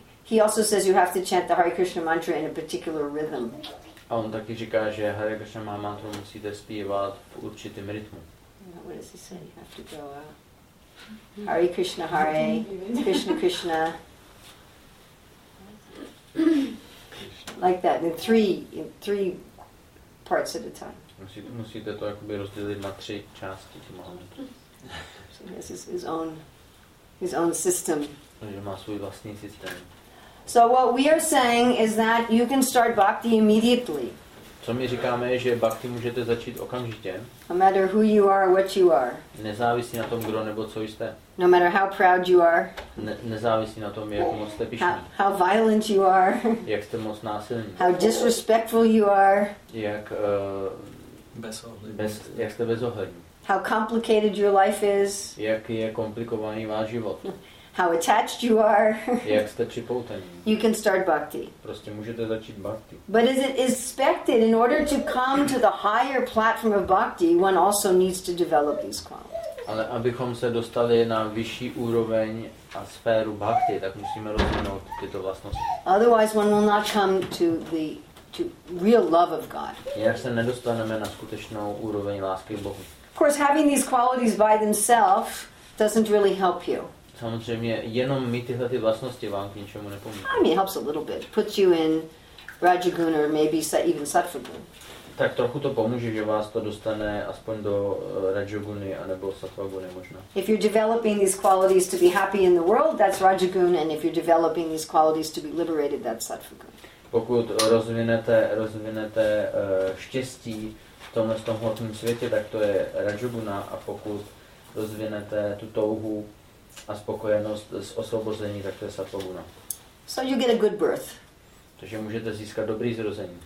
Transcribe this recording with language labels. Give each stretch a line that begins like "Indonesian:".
English: He also says you have to chant the Hare Krishna mantra in a particular rhythm.
Czech: A on taky říká, že Hare Krishna mantra musíte zpívat v určitém rytmu.
English: What does he say? You have to go Hare Krishna, Hare Krishna, Krishna. like that, in three parts at a time.
Czech: Musíte to jakoby rozdělit na tři části tím momentem.
English: So this is his own system.
Czech: Takže má svůj vlastní systém.
English: So what we are saying is that you can start bhakti immediately.
Czech: Co my říkáme je, že bhakti můžete začít okamžitě.
English: No matter who you are, what you are.
Czech: Nezávisí na tom, kdo nebo co jste.
English: No matter how proud you are.
Czech: Nezávisí na tom, jak moc jste pyšní.
English: How violent you are.
Czech: Jak jste moc násilní.
English: How disrespectful you are.
Czech: Jak bezohlední. Jak jste bezohlední.
English: How complicated your life is.
Czech: Jak je komplikovaný váš život.
English: How attached you are.
Czech: Jak jste připoutaní.
English: You can start bhakti.
Czech: Prostě můžete začít bhakti.
English: But as it is expected, in order to come to the higher platform of bhakti, one also needs to develop these qualities.
Czech: Ale abychom se dostali na vyšší úroveň a sféru bhakti, tak musíme rozvinout tyto vlastnosti.
English: Otherwise one will not come to the real love of God.
Czech: Jinak se nedostaneme na skutečnou úroveň lásky k Bohu.
English: Of course, having these qualities by themselves doesn't really help you.
Czech: Samozřejmě, jenom mít tyhle ty vlastnosti vám k ničemu nepomůže.
English: I mean, it helps a little bit. Puts you in rajaguna or maybe even sattvaguna.
Czech: Tak trochu to pomůže, že vás to dostane aspoň do rajaguny anebo sattvaguny možná.
English: If you're developing these qualities to be happy in the world, that's rajaguna, and if you're developing these qualities to be liberated, that's sattvaguna.
Czech: Pokud rozvinete štěstí v tomhle hmotném světě, tak to je rajaguna, a pokud rozvinete tu touhu a spokojenost z osvobození, tak to je sattvaguna.
English: So you get a good birth.
Czech: Takže můžete získat dobrý zrození.